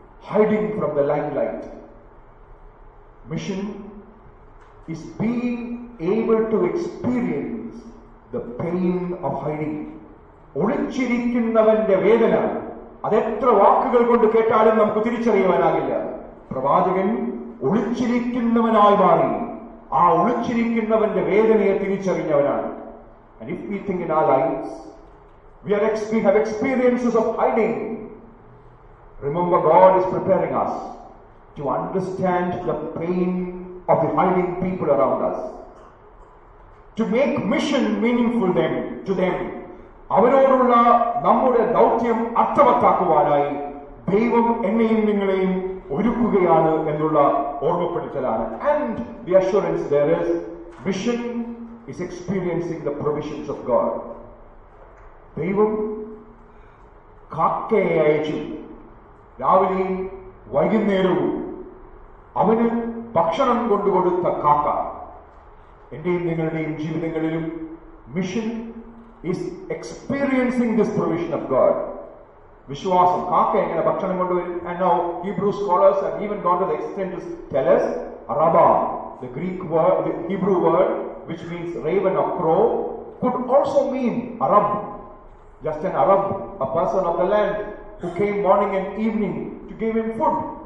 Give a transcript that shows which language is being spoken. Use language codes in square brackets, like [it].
[en] Hiding from the limelight. Mission is being able to experience the pain of hiding. [ml] ഒളിച്ചിരിക്കുന്നവന്റെ വേദന അതെത്ര വാക്കുകൾ കൊണ്ട് കേട്ടാലും നമുക്ക് തിരിച്ചറിയുവാനാകില്ല. പ്രവാചകൻ ഒളിച്ചിരിക്കുന്നവനായി മാറി ആ ഒളിച്ചിരിക്കുന്നവന്റെ വേദനയെ തിരിച്ചറിഞ്ഞവനാണ്. [en] And if we think in our lives, we have experiences of hiding. Remember, God is preparing us to understand the pain of the hiding people around us. To make mission meaningful to them. [ml] അവരോടുള്ള നമ്മുടെ ദൗത്യം അർത്ഥവത്താക്കുവാനായി ദൈവം എന്നെയും നിങ്ങളെയും ഒരുക്കുകയാണ് എന്നുള്ള ഓർമ്മപ്പെടുത്തലാണ്. [en] And the assurance there is, mission is experiencing the provisions of God. [ml] ദൈവം കാക്കയെ അയച്ചു രാവിലെയും വൈകുന്നേരവും അവന് ഭക്ഷണം കൊണ്ടുകൊടുത്ത കാക്ക. എന്റെയും നിങ്ങളുടെയും ജീവിതങ്ങളിലും mission [en] is experiencing this provision of God. [ml] Vishwasam, kaaka engana bhakshanam kondu varu. [en] And now Hebrew scholars have even gone to the extent to tell us Araba, the Greek word, the Hebrew word which means raven or crow, could also mean Arab. Just an Arab, a person of the land who came morning and evening to give him food.